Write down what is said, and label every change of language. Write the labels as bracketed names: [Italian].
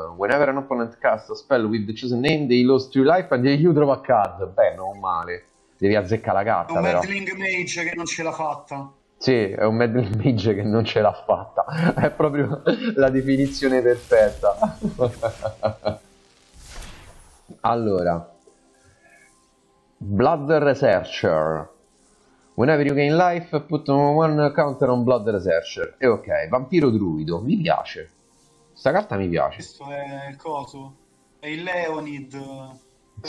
[English] Whenever an opponent casts a spell with the chosen name, they lose 2 life and you draw a card. [Italian] Beh, non male. Devi azzeccare la carta, però. meddling mage che non ce l'ha fatta. Sì, è un Meddling Mage che non ce l'ha fatta. È proprio la definizione perfetta. Allora. Blood Researcher. [English] Whenever you gain life, put one counter on Blood Researcher. [Italian] E ok, vampiro druido, mi piace. Sta carta mi piace. Questo è il coso, è il Leonid, però c'ha